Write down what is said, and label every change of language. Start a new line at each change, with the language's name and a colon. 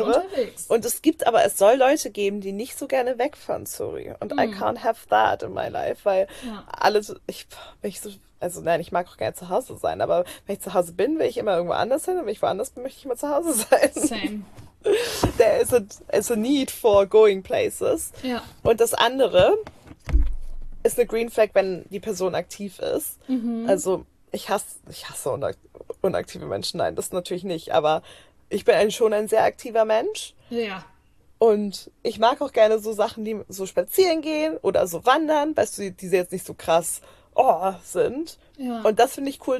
German: andere. unterwegs. Und es gibt aber, es soll Leute geben, die nicht so gerne wegfahren, sorry. Und
English: I can't have that in my life,
German: weil alles, ich, wenn ich so, also nein, ich mag auch gerne zu Hause sein, aber wenn ich zu Hause bin, will ich immer irgendwo anders hin. Und wenn ich woanders bin, möchte ich immer zu Hause sein.
English: Same. There is a need for going places.
German: Und das andere ist eine Green Flag, wenn die Person aktiv ist. Also ich hasse unaktive Menschen. Nein, das natürlich nicht. Aber ich bin schon ein sehr aktiver Mensch. Und ich mag auch gerne so Sachen, die so spazieren gehen oder so wandern, weißt du, die jetzt nicht so krass oh, sind. Und das finde ich cool.